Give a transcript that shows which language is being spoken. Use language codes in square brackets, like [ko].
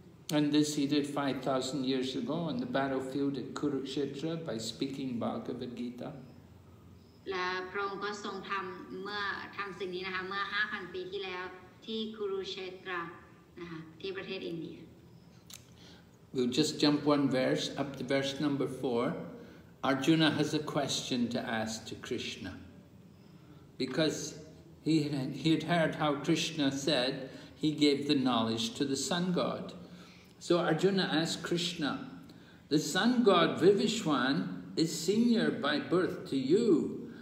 [en] And this he did 5,000 years ago on the battlefield at Kurukshetra by speaking Bhagavad Gita. [th] และพระองค์ก็ทรงทำทำสิ่งนี้นะคะเมื่อ 5,000 ปีที่แล้วที่คุรุเชตรานะคะที่ประเทศอินเดีย [en] We'll just jump one verse up to verse number 4. Arjuna has a question to ask to Krishna. B because he had heard how Krishna said he gave the knowledge to the sun god. So Arjuna asked Krishna, the sun god Vivishwan is senior by birth to you.